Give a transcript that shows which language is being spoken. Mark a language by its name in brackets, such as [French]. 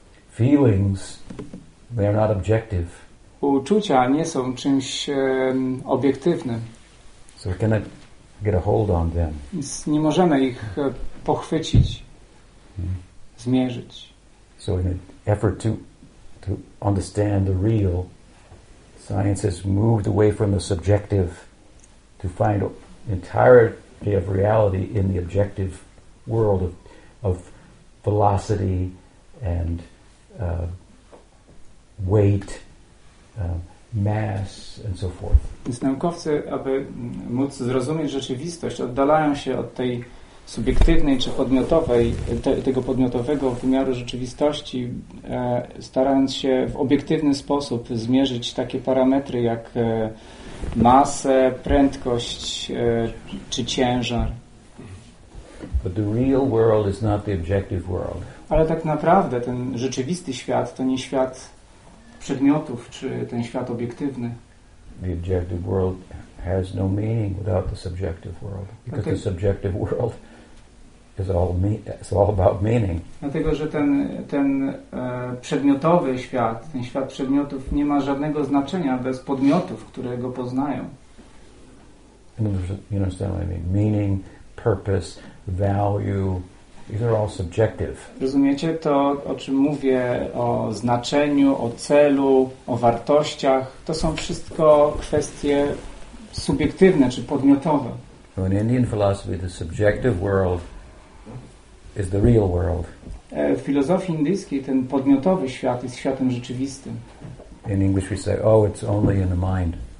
[English] Feelings, they are not objective. [Polish] Uczucia nie są czymś obiektywnym. [English] So we cannot get a hold on them. [Polish] Nie możemy ich pochwycić, zmierzyć. [English] So in an effort to understand the real, science has moved away from the subjective to find entirety of reality in the objective world of velocity and weight, mass and so forth. [Polish] Więc naukowcy, aby móc zrozumieć rzeczywistość, oddalają się od tej subiektywnej czy podmiotowej, tego podmiotowego wymiaru rzeczywistości, starając się w obiektywny sposób zmierzyć takie parametry jak masę, prędkość czy ciężar. [English] But the real world is not the objective world. [Polish] Ale tak naprawdę ten rzeczywisty świat to nie świat przedmiotów czy ten świat obiektywny. [English] The objective world has no meaning without the subjective world, because the subjective world is all about meaning. [Polish] Dlatego, że ten przedmiotowy świat, ten świat przedmiotów nie ma żadnego znaczenia bez podmiotów, które go poznają. [English] You understand what I mean? Meaning, purpose, value. These are all subjective. [Polish] Rozumiecie to, o czym mówię, o znaczeniu, o celu, o wartościach? To są wszystko kwestie subiektywne czy podmiotowe. [English] In Indian philosophy, the subjective world is the real world. [Polish] W filozofii indyjskiej ten podmiotowy świat jest światem rzeczywistym. [English] In English we say, oh, it's only in the mind.